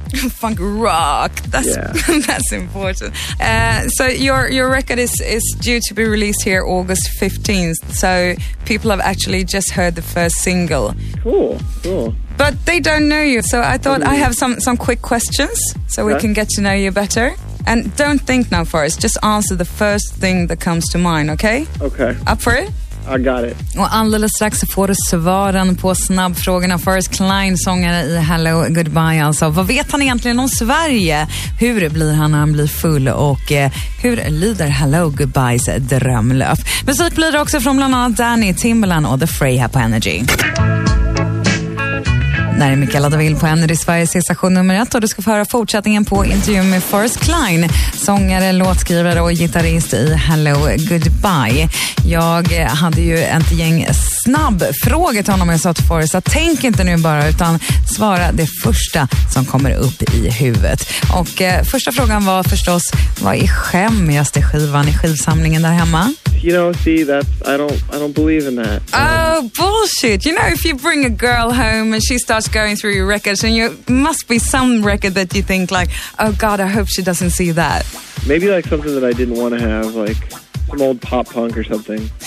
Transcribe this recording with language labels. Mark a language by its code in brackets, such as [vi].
[en] Funk rock. That's that's important. So your record is due to be released here August 15th. So people have actually just heard the first single. Cool. But they don't know you. So I thought I have some quick questions so we can get to know you better. And don't think now for us. Just answer the first thing that comes to mind, okay? Okay. Up for it? I got it. [sv] Och alldeles strax får du svaren på snabbfrågorna. First Klein, sångare i Hello Goodbye alltså. Vad vet han egentligen om Sverige? Hur blir han när han blir full? Och hur lyder Hello Goodbyes drömlöf? Musik blir det också från bland annat Danny Timbaland och The Freya på Energy. Det här är Mikaela Daville på Energy Sveriges station nummer ett och du ska få höra fortsättningen på intervjun med First Klein, sångare, låtskrivare och gitarrist i Hello Goodbye. Jag hade ju ett gäng snabb frågor till honom och jag sa till Forrest att tänk inte nu bara utan svara det första som kommer upp i huvudet. Och första frågan var förstås, vad är skämmigaste skivan i skivsamlingen där hemma? [en] You know, see, I don't believe in that. Oh, bullshit. You know, if you bring a girl home and she starts going through your records, and you must be some record that you think like, oh God, I hope she doesn't see that. Maybe like something that I didn't want to have, like some old pop punk or something.